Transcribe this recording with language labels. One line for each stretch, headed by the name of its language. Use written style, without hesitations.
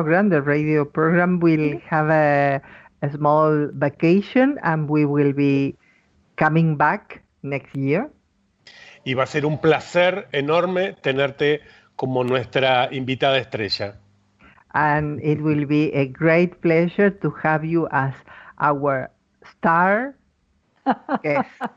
English: The radio program will have a small vacation and we will be coming back next year.
Spanish: Y va a ser un placer enorme tenerte como nuestra invitada estrella.
English: And it will be a great pleasure to have you as our star guest.